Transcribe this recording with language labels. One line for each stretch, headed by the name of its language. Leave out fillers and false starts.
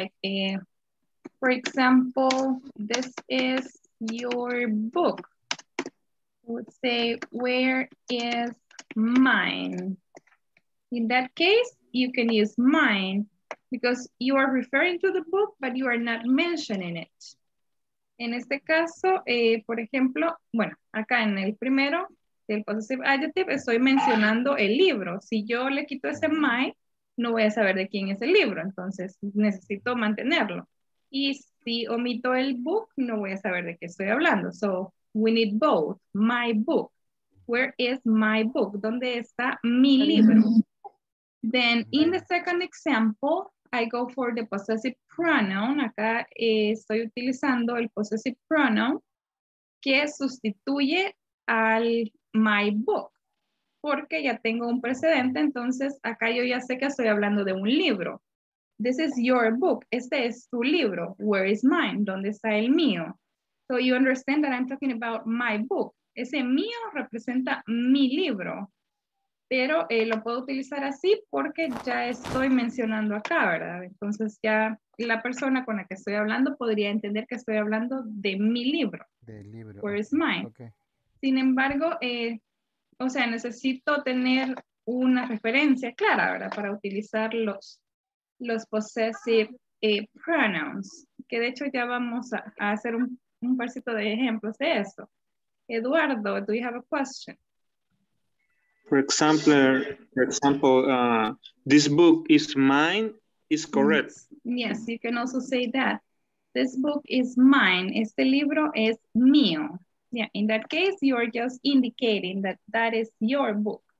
English: Like, for example, this is your book. I would say, where is mine? In that case, you can use mine because you are referring to the book, but you are not mentioning it.
Spanish: En este caso, por ejemplo, bueno, acá en el primero, el possessive adjective, estoy mencionando el libro. Si yo le quito ese my, no voy a saber de quién es el libro. Entonces, necesito mantenerlo. Y si omito el book, no voy a saber de qué estoy hablando.
English: So, we need both. My book. Where is my book?
Spanish: ¿Dónde está mi libro?
English: Then, in the second example, I go for the possessive pronoun.
Spanish: Acá estoy utilizando el possessive pronoun que sustituye al my book porque ya tengo un precedente. Entonces, acá yo ya sé que estoy hablando de un libro.
English: This is your book.
Spanish: Este es tu libro.
English: Where is mine?
Spanish: ¿Dónde está el mío?
English: So you understand that I'm talking about my book.
Spanish: Ese mío representa mi libro. Pero lo puedo utilizar así porque ya estoy mencionando acá, ¿verdad? Entonces ya la persona con la que estoy hablando podría entender que estoy hablando de mi libro. Del libro.
English: Where is mine? Okay.
Spanish: Sin embargo, o sea, necesito tener una referencia clara, ¿verdad? Para utilizar los possessive pronouns. Que de hecho ya vamos a hacer un parcito de ejemplos de eso.
English: Eduardo, do you have a question? For example, this book is mine, is correct. Yes, you can also say that. This book is mine.
Spanish: Este libro es mío.
English: Yeah, in that case, you are just indicating that that is your book.